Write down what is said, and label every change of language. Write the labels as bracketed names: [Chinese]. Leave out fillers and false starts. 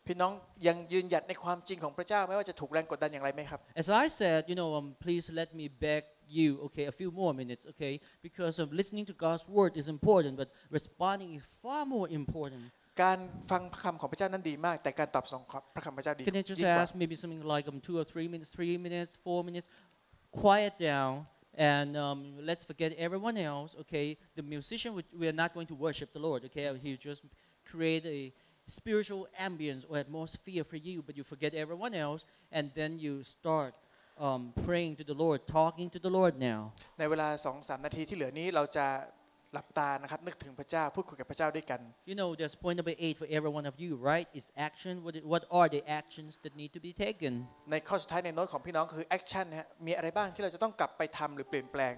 [Thai] พี่น้องยังยืนหยัดในความจริงของพระเจ้าไม่ว่าจะถูกแรงกดดันอย่างไรไหมครับ [English] As I said, you know, please let me beg you, okay, a few more minutes, okay, because of listening to God's word is important, but responding is far more important. [Thai] การฟังคำของพระเจ้านั้นดีมากแต่การตอบสนองพระคำพระเจ้าดีกว่า [English] Can you just ask maybe something like two or three minutes, quiet down. And let's forget everyone else, okay? The musician, we are not going to worship the Lord, okay? He just create a spiritual ambience or atmosphere for you, but you forget everyone else, and then you start praying to the Lord, talking to the Lord now. [Thai] ในเวลา 2-3 นาทีที่เหลือนี้เราจะหลับตานะครับนึกถึงพระเจ้าพูดคุยกับพระเจ้าด้วยกัน [English] You know, there's point number 8 for every one of you, right? It's action. What are the actions that need to be taken? [Thai] ในข้อสุดท้ายในโน้ตของพี่น้องคือ action ฮะมีอะไรบ้างที่เราจะต้องกลับไปทำหรือเปลี่ยนแปลง